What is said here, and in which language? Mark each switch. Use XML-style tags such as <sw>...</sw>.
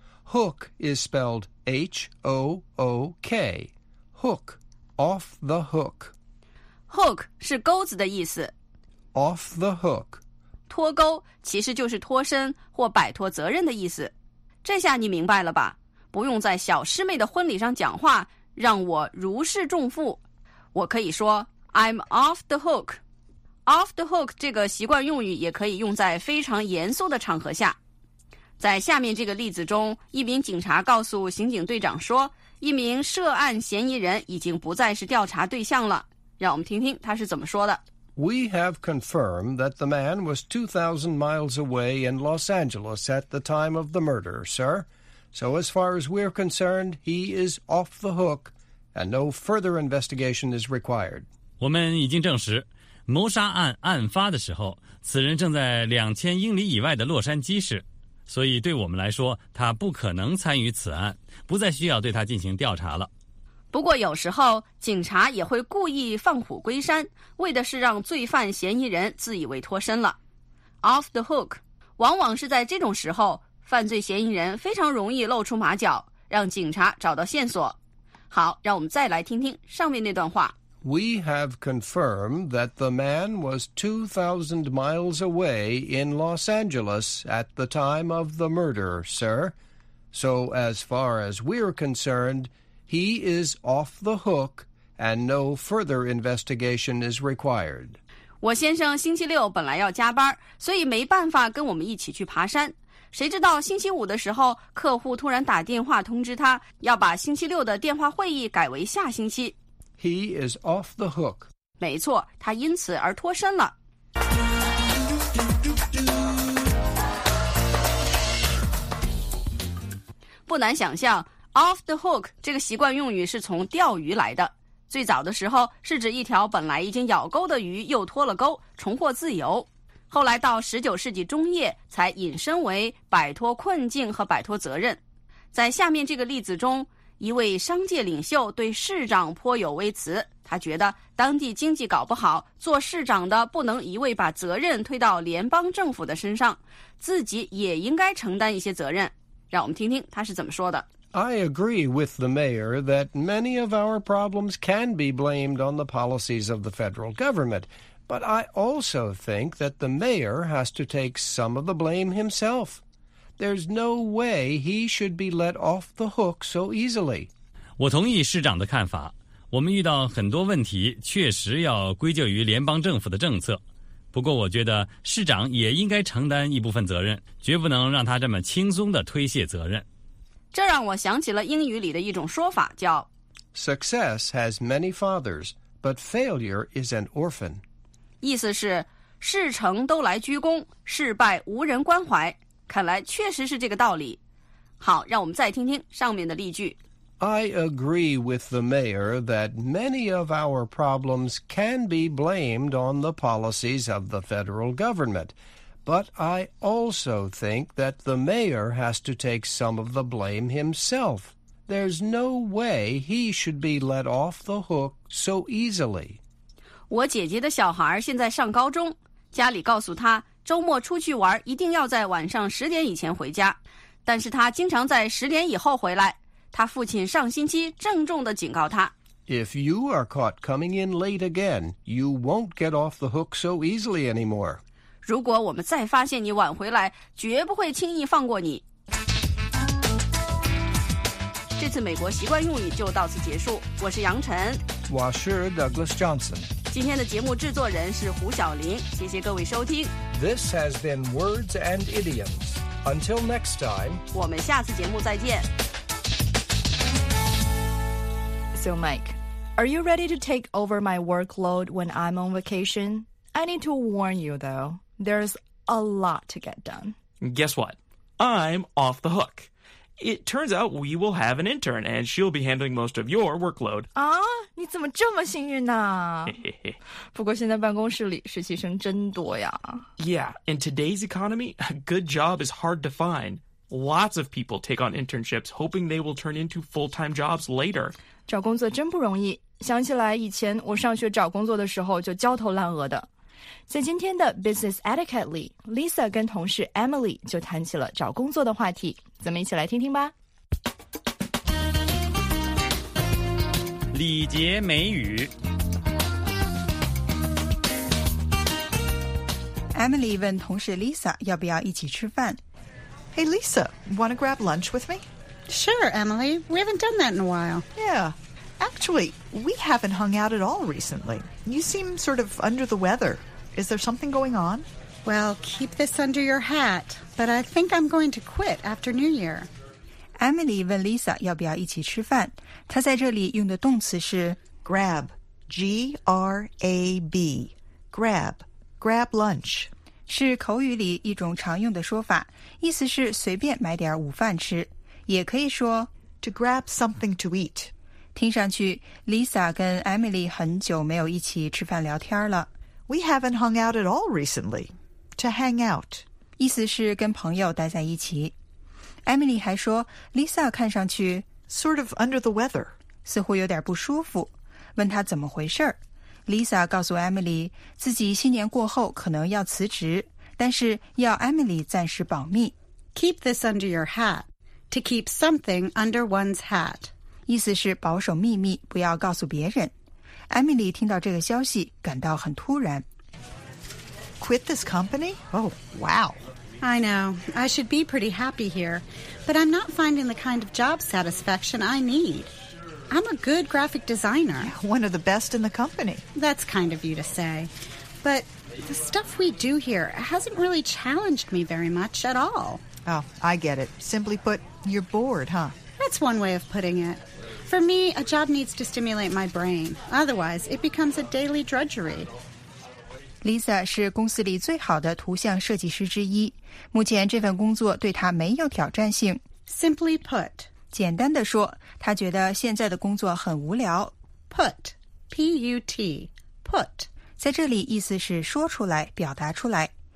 <en>Hook is spelled H-O-O-K, hook, off the hook.</en> <zh>Hook 是钩子的意思。</zh> <en>Off the hook.</en> <zh>脱钩其实就是脱身或摆脱责任的意思。这下你明白了吧？不用在小师妹的婚礼上讲话，让我如释重负。我可以说</zh> <en>I'm off the hook. Off the hook</en> <zh>这个习惯用语也可以用在非常严肃的场合下。在下面这个例子中，一名警察告诉刑警队长说，一名涉案嫌疑人已经不再是调查对象了。让我们听听他是怎么说的。</zh> <en>We have confirmed that the man was 2,000 miles away in Los Angeles at the time of the murder, sir. So as far as we're concerned, he is off the hook and no further investigation is required.</en> <zh>我们已经证实谋杀案案发的时候，此人正在2000英里以外的洛杉矶市，所以对我们来说，他不可能参与此案，不再需要对他进行调查了。不过有时候，警察也会故意放虎归山，为的是让罪犯嫌疑人自以为脱身了。</zh> <en>Off the hook，</en> <zh>往往是在这种时候，犯罪嫌疑人非常容易露出马脚，让警察找到线索。好，让我们再来听听上面那段话。</zh> <en>We have confirmed that the man was 2,000 miles away in Los Angeles at the time of the murder, sir. So as far as we're concerned, he is off the hook and no further investigation is required.</en> <zh>我先生星期六本来要加班，所以没办法跟我们一起去爬山。谁知道星期五的时候，客户突然打电话通知他，要把星期六的电话会议改为下星期。</zh> <en>He is off the hook.</en> <zh>没错，他因此而脱身了。不难想象 ，</zh> <en>off the hook</en> <zh>这个习惯用语是从钓鱼来的。最早的时候是指一条本来已经咬钩的鱼又脱了钩，重获自由。后来到19世纪中叶才引申为摆脱困境和摆脱责任。在下面这个例子中，一位商界领袖对市长颇有微词，他觉得当地经济搞不好，做市长的不能一味把责任推到联邦政府的身上，自己也应该承担一些责任。让我们听听他是怎么说的。</zh> <en>I agree with the mayor that many of our problems can be blamed on the policies of the federal government, but I also think that the mayor has to take some of the blame himself. There's no way he should be let off the hook so easily.</en> <zh>我同意市长的看法，我们遇到很多问题确实要归咎于联邦政府的政策，不过我觉得市长也应该承担一部分责任，绝不能让他这么轻松地推卸责任。这让我想起了英语里的一种说法，叫</zh> <en>Success has many fathers, but failure is an orphan.</en> <zh>意思是事成都来鞠躬，事败无人关怀。看来确实是这个道理。好，让我们再听听上面的例句。</zh> <en>I agree with the mayor that many of our problems can be blamed on the policies of the federal government. But I also think that the mayor has to take some of the blame himself. There's no way he should be let off the hook so easily.</en> <zh>我姐姐的小孩现在上高中，家里告诉她周末出去玩一定要在晚上十点以前回家，但是她经常在十点以后回来。她父亲上星期郑重地警告她。</zh> <en>If you are caught coming in late again, you won't get off the hook so easily anymore.</en> <zh>如果我们再发现你晚回来，绝不会轻易放过你。这次美国习惯用语就到此结束，我是杨晨。我是 Douglas Johnson。今天的节目制作人是胡晓玲，谢谢各位收听。</zh> <en>This has been Words and Idioms. Until next time.</en> <zh>我们下次节目再见。</zh> <en>So Mike, are you ready to take over my workload when I'm on vacation? I need to warn you though, there's a lot to get done. Guess what? I'm off the hook. It turns out we will have an intern and she'll be handling most of your workload.</en> <zh>啊，你怎么这么幸运呢？不过现在办公室里实习生真多呀。</zh> <en>Yeah, in today's economy, a good job is hard to find. Lots of people take on internships hoping they will turn into full-time jobs later.</en> <zh>找工作真不容易，想起来以前我上学找工作的时候就焦头烂额的。在今天的 Business Etiquette 里 ，Lisa 跟同事 Emily 就谈起了找工作的话题，咱们一起来听听吧。礼节美语。 Emily 问同事 Lisa 要不要一起吃饭。</zh> <en>Hey Lisa, wanna grab lunch with me? Sure, Emily. We haven't done that in a while. Yeah. Actually, we haven't hung out at all recently. You seem sort of under the weather. Is there something going on? Well, keep this under your hat, but I think I'm going to quit after New Year.</en> <zh>Emily 问 Lisa 要不要一起吃饭。她在这里用的动词是</zh> <en>grab, G-R-A-B, grab, grab lunch.</en> <zh>是口语里一种常用的说法，意思是随便买点午饭吃。也可以说</zh> <en>to grab something to eat.</en> <zh>听上去 Lisa 跟 Emily 很久没有一起吃饭聊天了。</zh> <en>We haven't hung out at all recently. To hang out.</en> <zh>意思是跟朋友待在一起。Emily 还说 Lisa 看上去</zh> <en>sort of under the weather.</en> <zh>似乎有点不舒服。问她怎么回事。 Lisa 告诉 Emily 自己新年过后可能要辞职，但是要 Emily 暂时保密。</zh> <en>Keep this under your hat. To keep something under one's hat.</en> <zh>意思是保守秘密，不要告诉别人。Emily 听到这个消息，感到很突然。</zh> <en>Quit this company? Oh, wow. I know. I should be pretty happy here. But I'm not finding the kind of job satisfaction I need. I'm a good graphic designer. One of the best in the company. That's kind of you to say. But the stuff we do here hasn't really challenged me very much at all. Oh, I get it. Simply put, you're bored, huh? That's one way of putting it. For me, a job needs to stimulate my brain. Otherwise, it becomes a daily drudgery.</en> <zh>Lisa 是公司里最好的图像设计师之一。目前这份工作对她没有挑战性。</zh> <en>Simply put.</en> <zh>简单地说，她觉得现在的工作很无聊。</zh> <en>Put. P-U-T. Put.</en> <zh>在这里意思是说出来，表达出来。</zh>